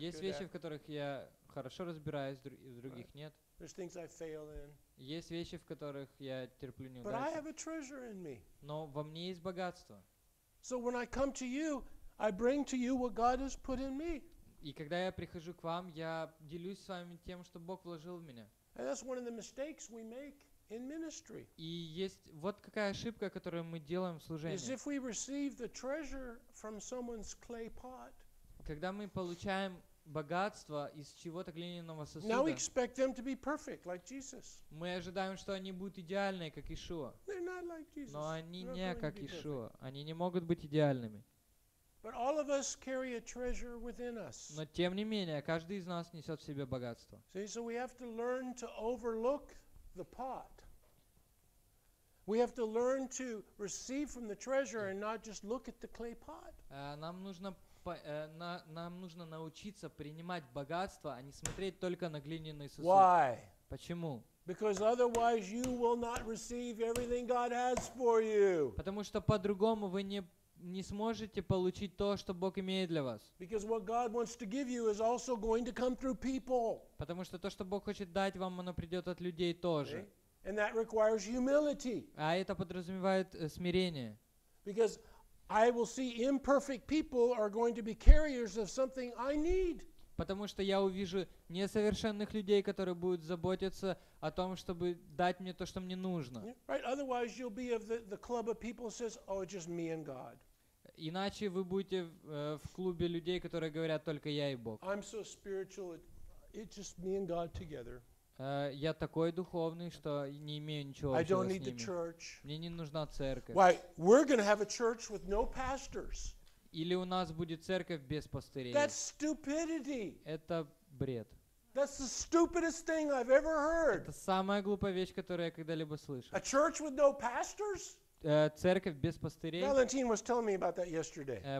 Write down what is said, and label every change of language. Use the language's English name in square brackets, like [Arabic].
[Russian] Есть вещи, в которых я хорошо разбираюсь, в других нет. [English] There's things I fail in. [Russian] Есть вещи, в которых я терплю неудачи. [English] But I have a treasure in me. [Russian] Но во мне есть богатство. [English] So when I come to you, I bring to you what God has put in me. [Russian] И когда я прихожу к вам, я делюсь с вами тем, что Бог вложил в меня. [English] And that's one of the mistakes we make in ministry. [Russian] И есть вот какая ошибка, которую мы делаем в служении. [English] Is if we receive the treasure from someone's clay pot. [Russian] Когда мы получаем богатство из чего-то глиняного сосуда. [English] Now we expect them to be perfect, like Jesus. [Russian] Мы ожидаем, что они будут идеальны, как Иешуа. [English] They're not like Jesus. [Russian] Но они не как Иешуа. Они не могут быть идеальными. [English] But all of us carry a treasure within us. [Russian] Но тем не менее, каждый из нас несет в себе богатство. [English] See, so we have to learn to overlook the pot. We have to learn to receive from the treasure and not just look at the clay pot. [Russian] Нам нужно научиться принимать богатство, а не смотреть только на глиняный сосуд. [English] Why? [Russian] Почему? [English] Because otherwise you will not receive everything God has for you. [Russian] Потому что по-другому вы не сможете получить то, что Бог имеет для вас. [English] Because what God wants to give you is also going to come through people. [Russian] Потому что то, что Бог хочет дать вам, оно придет от людей тоже. [English] And that requires humility. [Russian] А это подразумевает смирение. [English] Because I will see imperfect people are going to be carriers of something I need. [Russian] Потому что я увижу несовершенных людей, которые будут заботиться о том, чтобы дать мне то, что мне нужно. [English] Right, otherwise you'll be of the club of people who says, "Oh, just me and God." [Russian] Иначе вы будете в клубе людей, которые говорят только я и Бог. [English] I'm so spiritual, it's just me and God together. [Russian] Я такой духовный, что не имею ничего общего с ними. [English] I don't need the church. [Russian] Мне не нужна церковь. [English] Why? We're going to have a church with no pastors. [Russian] Или у нас будет церковь без пастырей. [English] That's stupidity. [Russian] Это бред. [English] That's the stupidest thing I've ever heard. [Russian] Это самая глупая вещь, которую я когда-либо слышал. [English] A church with no pastors? [Russian] Церковь без пастырей. [English] Valentine was telling me about that yesterday.